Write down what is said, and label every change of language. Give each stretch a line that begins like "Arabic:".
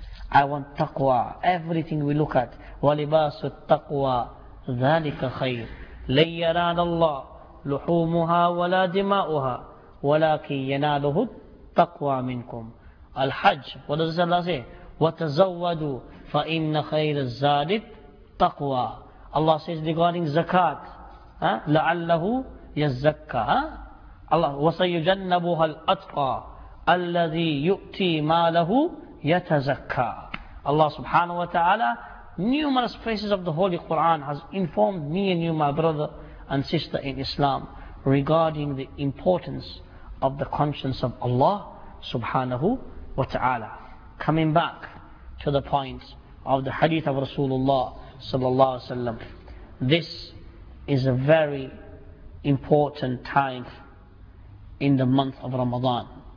English: I want taqwa. Everything we look at.
Arabic: وَلِبَاسُ التَّقْوَى ذَلِكَ خَيْرٌ لَنْ يَنَالَ اللَّهُ لُحُومُهَا وَلَا دِمَاؤُهَا وَلَكِنْ يَنَالُهُ التَّقْوَى مِنْكُمْ الحج.
English: What does Allah say?
Arabic: وَتَزَوَّدُوا فَإِنَّ خَيْرَ الزَّادِ التَّقْوَى.
English: Allah says regarding zakat,
Arabic: لَعَلَّهُ يَزَّكَّى. Allah, وَسَيُجَنَّبُهَا الْأَتْقَى الَّذِي يُؤْتِي مَالَهُ يَتَزَكَّى.
English: Allah subhanahu wa ta'ala, numerous places of the Holy Quran has informed me and you, my brother and sister in Islam, regarding the importance of the conscience of Allah subhanahu wa ta'ala. Coming back to the point of the hadith of Rasulullah sallallahu alaihi wasallam, this is a very important time in the month of Ramadan.